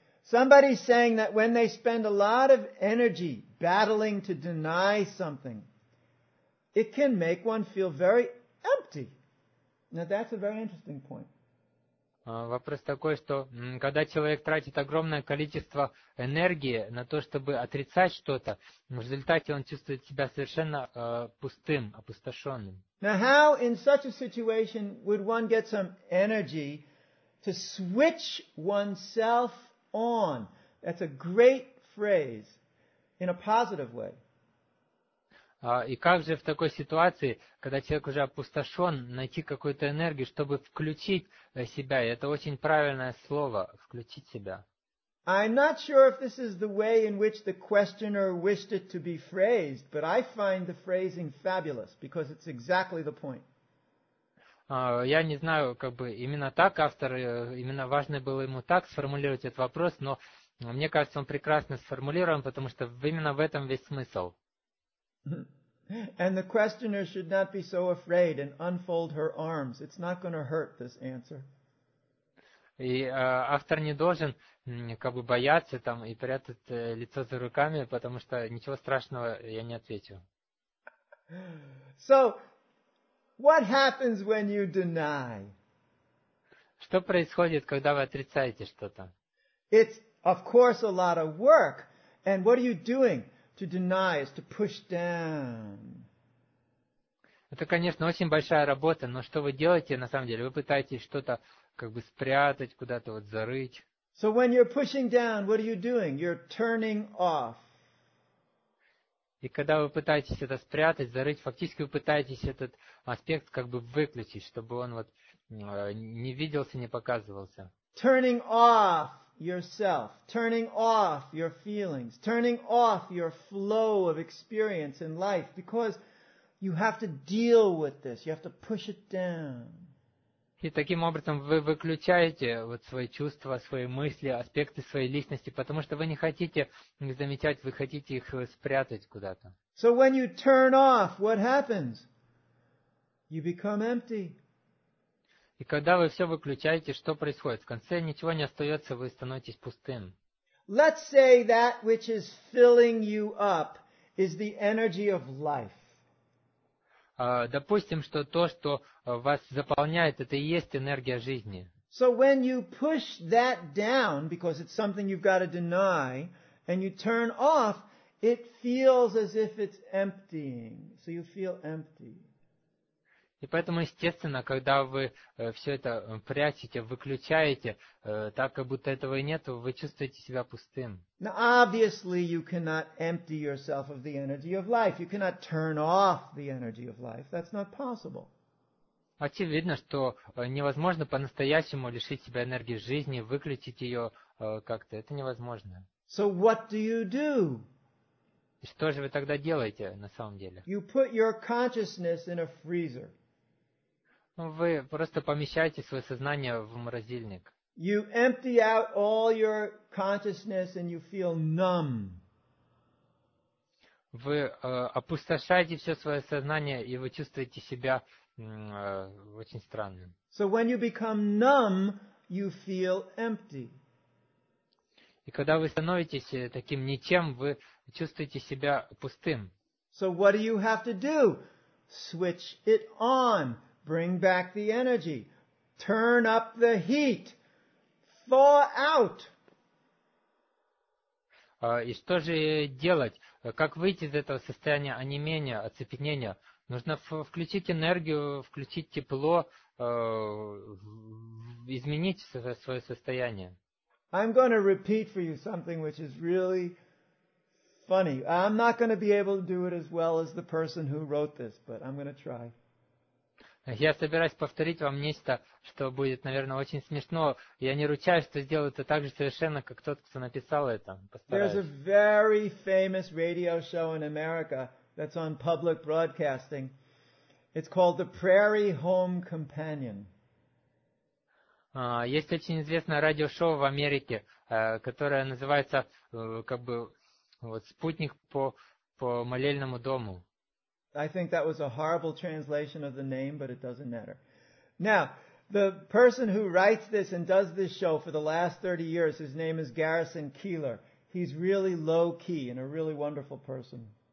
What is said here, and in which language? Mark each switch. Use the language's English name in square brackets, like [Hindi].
[English] Somebody's saying that when they spend a lot of energy battling to deny something, it can make one feel very empty. Now that's a very interesting point. [Russian] Вопрос такой, что когда человек тратит огромное количество энергии на то, чтобы отрицать что-то, в результате он чувствует себя совершенно пустым, опустошенным. [English] Now how in such a situation would one get some energy to switch oneself on? That's a great phrase in a positive way. [Russian] И как же в такой ситуации, когда человек уже опустошен, найти какую-то энергию, чтобы включить себя? И это очень правильное слово – включить себя. [English] I'm not sure if this is the way in which the questioner wished it to be phrased, but I find the phrasing fabulous, because it's exactly the point. [Russian] Я не знаю, как бы именно так автор, именно важно было ему так сформулировать этот вопрос, но мне кажется, он прекрасно сформулирован, потому что именно в этом весь смысл. [English] And the questioner should not be so afraid and unfold her arms. It's not going to hurt this answer. [Russian] И автор не должен как бы бояться там и прятать лицо за руками, потому что ничего страшного я не отвечу. [English] So, what happens when you deny? [Russian] Что происходит, когда вы отрицаете что-то? [English] It's, of course, a lot of work. And what are you doing? To deny is to push down. [Russian] Это, конечно, очень большая работа, но что вы делаете на самом деле? Вы пытаетесь что-то как бы спрятать, куда-то вот зарыть. [English] So when you're pushing down, what are you doing? You're turning off. [Russian] И когда вы пытаетесь это спрятать, зарыть, фактически вы пытаетесь этот аспект как бы выключить, чтобы он вот не виделся, не показывался. [English] Turning off yourself, turning off your feelings, turning off your flow of experience in life, because you have to deal with this, you have to push it down. [Russian] И таким образом вы выключаете вот свои чувства, свои мысли, аспекты своей личности, потому что вы не хотите их замечать, вы хотите их спрятать куда-то. [English] So when you turn off, what happens? You become empty. [Russian] И когда вы все выключаете, что происходит? В конце ничего не остается, вы становитесь пустым. [English] Let's say that which is filling you up is the energy of life. [Russian] Допустим, что то, что вас заполняет, это и есть энергия жизни. [English] So when you push that down, because it's something you've got to deny, and you turn off, it feels as if it's emptying. So you feel empty. [Russian] И поэтому, естественно, когда вы все это прячете, выключаете, так как будто этого и нет, вы чувствуете себя пустым. [English] Now, obviously, you cannot empty yourself of the energy of life. You cannot turn off the energy of life. That's not possible. [Russian] Очевидно, что невозможно по-настоящему лишить себя энергии жизни, выключить ее как-то. Это невозможно. [English] So what do you do? [Russian] И что же вы тогда делаете на самом деле? [English] You put your consciousness in a freezer. [Russian] Вы просто помещаете свое сознание в морозильник. [English] You empty out all your consciousness and you feel numb. [Russian] Вы опустошаете все свое сознание, и вы чувствуете себя очень странным. [English] So when you become numb, you feel empty. [Russian] И когда вы становитесь таким ничем, вы чувствуете себя пустым. [English] So what do you have to do? Switch it on. Bring back the energy. Turn up the heat. Thaw out. [Russian] И что же делать? Как выйти из этого состояния онемения, оцепенения? Нужно включить энергию, включить тепло, изменить свое состояние. [English] I'm going to repeat for you something which is really funny. I'm not going to be able to do it as well as the person who wrote this, but I'm going to try. [Russian] Я собираюсь повторить вам нечто, что будет, наверное, очень смешно. Я не ручаюсь, что сделаю это так же совершенно, как тот, кто написал это. Постараюсь. [English] There's a very famous radio show in America that's on public broadcasting. It's called The Prairie Home Companion. [Russian] Есть очень известное радиошоу в Америке, которое называется как бы вот «Спутник по молельному дому». [English] I think that was a horrible translation of the name, but it doesn't matter. Now, the person who writes this and does this show for the last 30 years, his name is Garrison Keillor. He's really low-key and a really wonderful person.